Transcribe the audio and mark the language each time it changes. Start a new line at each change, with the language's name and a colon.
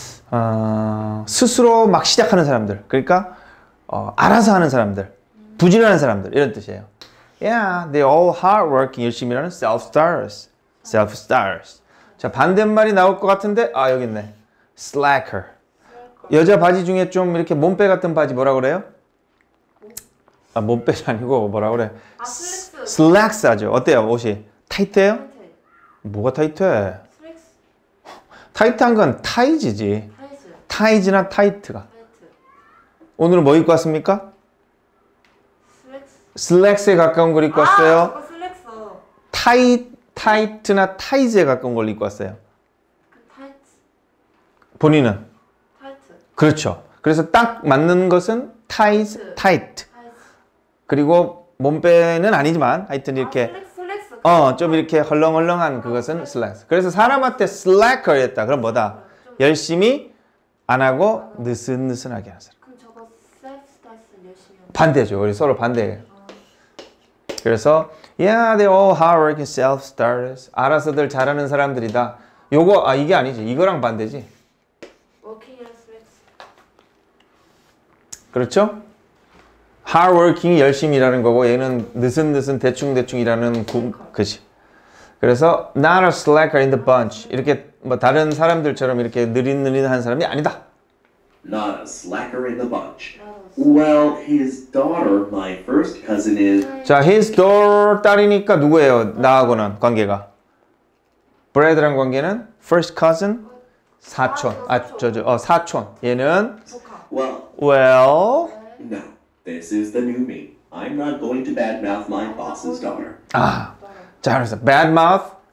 Korean: 어, 스스로 막 시작하는 사람들. 그러니까 어, 알아서 하는 사람들. 부지런한 사람들. 이런 뜻이에요.
English: Yeah, they're all hardworking,
Korean: 열심히 일하는
English: self-starters. Self-starters.
Korean: 자, 반대말이 나올 것 같은데, 아, 여기 있네.
English: Slacker.
Korean: 여자 바지 중에 좀 이렇게 몸빼 같은 바지 뭐라 그래요? 아, 몸빼 아니고 뭐라 그래? 아, 슬랙스. 슬랙스 하죠. 어때요, 옷이? 타이트해요? 뭐가 타이트해? 슬랙스. 타이트한 건 타이즈지. 타이즈나 타이트가. 오늘은 뭐 입고 왔습니까? 슬랙스에 가까운 걸 입고 왔어요. 아, 슬랙스. 타이트나 타이즈에 가까운 걸 입고 왔어요. 타이트. 본인은? 타이트. 그렇죠. 그래서 딱 맞는 것은 타이즈, 타이트. 그리고 몸빼는 아니지만 하여튼 이렇게 아, 슬랙스. 어, 좀 이렇게 헐렁헐렁한 그것은 아, 슬랙스. 그래서 사람한테 슬래커를 했다. 그럼 뭐다? 열심히 안 하고 느슨느슨하게 하는 사람. 그럼 저거 셀프스타일스 열심히 하는 반대죠. 우리 서로 반대예요. 그래서
English: Yeah, they're all hardworking self-starters.
Korean: 알아서들 잘하는 사람들이다. 요거, 아, 이게 아니지. 이거랑 반대지.
English: Working as slacks.
Korean: 그렇죠? Hardworking이 열심히 일하는 거고 얘는 느슨느슨 대충대충 일하는 그지. 그래서
English: Not a slacker in the bunch.
Korean: 이렇게 뭐 다른 사람들처럼 이렇게 느린느린한 사람이 아니다.
English: Not a slacker in the bunch. Well, his daughter, my first cousin is...
Korean: 자,
English: his daughter,
Korean: 딸이니까 누구예요? 나하고는 관계가? Brad랑 관계는?
English: First cousin?
Korean: 사촌. 사촌. 얘는?
English: Well... No, this is the new me. I'm not going to badmouth my boss's daughter.
Korean: 아, 자, 그래서 badmouth?